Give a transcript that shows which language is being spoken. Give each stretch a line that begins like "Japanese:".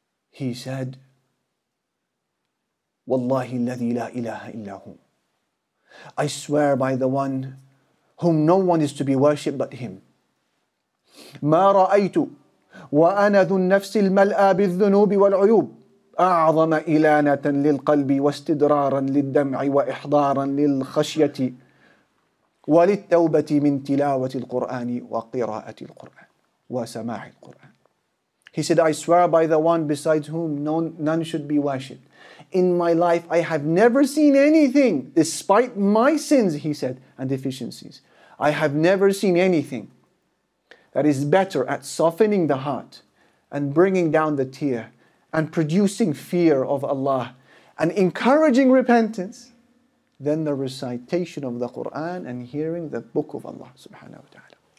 English: He said,
Arabic: وَاللَّهِ الَّذِي لَا إِلَهَ إِلَّا هُمْ.
English: I swear by the one whom no one is to be worshipped but him.
Arabic: مَا رَأَيْتُ وَأَنَا ذُو النَّفْسِ الْمَلْآ بِالذُّنُوبِ وَالْعُيُوبِ أعظم إلانة للقلب واستدرارا للدمع وإحضارا للخشية وللتوبة من تلاوة القرآن وقراءة القرآن وسماع القرآن.
English: He said, I swear by the one besides whom none should be worshipped. In my life, I have never seen anything, despite my sins, he said, and deficiencies. I have never seen anything that is better at softening the heart and bringing down the tear and producing fear of Allah and encouraging repentance than the recitation of the Quran and hearing the book of Allah subhanahu wa ta'ala.